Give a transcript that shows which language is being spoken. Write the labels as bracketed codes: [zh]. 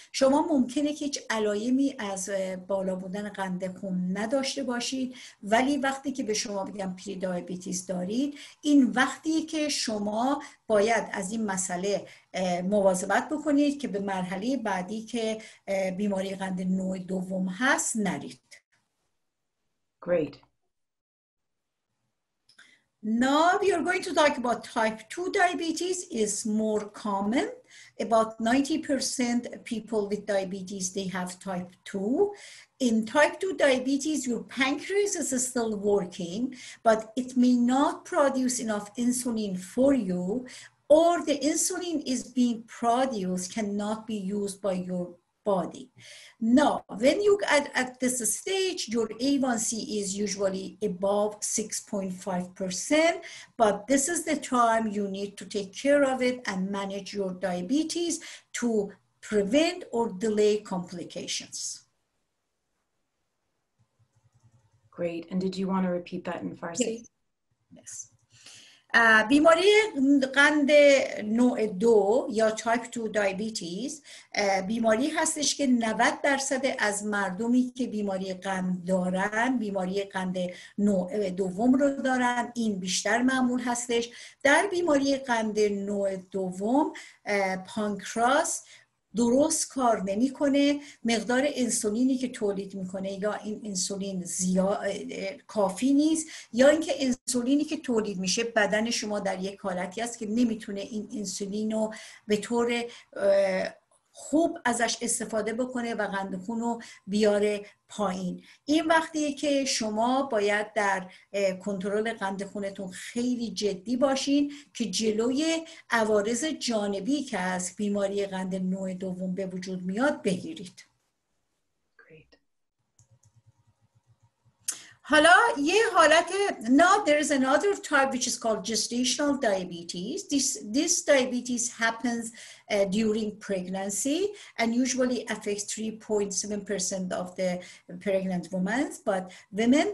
[fa] شما ممکنه که هیچ علایمی از بالا بودن قند خون نداشته باشید، ولی وقتی که به شما بگم پری دیابتیز دارید، این وقتیه که شما باید از این مسئله مواظبت بکنید که به مرحله بعدی که بیماری قند نوع دوم هست نرید. [en] Great. Now we are going to talk about type 2 diabetes. It's more common. About 90% people with diabetes, they have type 2. In type 2 diabetes, your pancreas is still working, but it may not produce enough insulin for you, or the insulin is being produced, cannot be used by your body. Now, when you at this stage, your A1C is usually above 6.5%, but this is the time you need to take care of it and manage your diabetes to prevent or delay complications. Great. And did you want to repeat that in Farsi? Yes. [fa] بیماری قند نوع دو یا تایپ 2 دیابتیز بیماری هستش که 90% از مردمی که بیماری قند دارن بیماری قند نوع دوم رو دارن. این بیشتر معمول هستش در بیماری قند نوع دوم. پانکراس درست کار نمی کنه، مقدار انسولینی که تولید می کنه یا این انسولین کافی نیست، یا اینکه انسولینی که تولید میشه بدن شما در یک حالتی است که نمی تونه این انسولین رو به طور خوب ازش استفاده بکنه و قند خون رو بیاره پایین. این وقتیه که شما باید در کنترل قند خونتون خیلی جدی باشین که جلوی عوارض جانبی که از بیماری قند نوع دوم به وجود میاد بگیرید. حالا یه حالت [en] now there is another type which is called gestational diabetes. This diabetes happens during pregnancy and usually affects 3.7% of the pregnant women, but women.